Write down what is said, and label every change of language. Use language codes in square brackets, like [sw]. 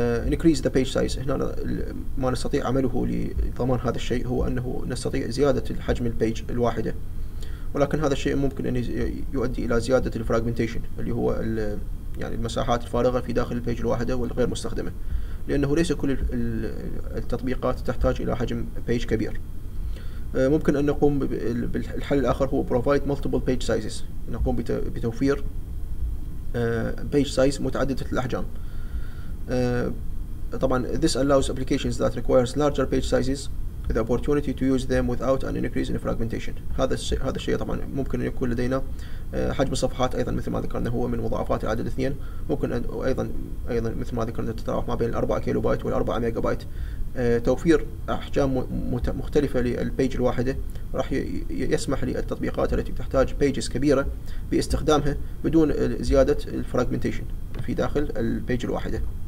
[en] Increase the page size، [ar] هنا ما نستطيع عمله لضمان هذا الشيء هو أنه نستطيع زيادة حجم البيج الواحدة، ولكن هذا الشيء ممكن أن يؤدي إلى زيادة الفراجمنتيشن اللي هو يعني المساحات الفارغة في داخل البيج الواحدة والغير مستخدمة، لأنه ليس كل التطبيقات تحتاج إلى حجم بيج كبير. ممكن أن نقوم بالحل الآخر هو [en] provide multiple page sizes، [ar] نقوم بتوفير [en] page size [ar] متعددة الأحجام. طبعا [en] this allows applications that requires larger page sizes the opportunity to use them without an increase in fragmentation. [ar] هذا الشيء طبعا ممكن أن يكون لدينا حجم الصفحات أيضا مثل ما ذكرنا هو من مضاعفات العدد 2، ممكن أيضا مثل ما ذكرنا تتراوح ما بين 4 كيلو بايت وال 4 ميجا بايت. توفير أحجام مختلفة للبيج الواحدة راح يسمح للتطبيقات التي تحتاج بيجز كبيرة باستخدامها بدون زيادة الفراجمنتيشن في داخل البيج الواحدة.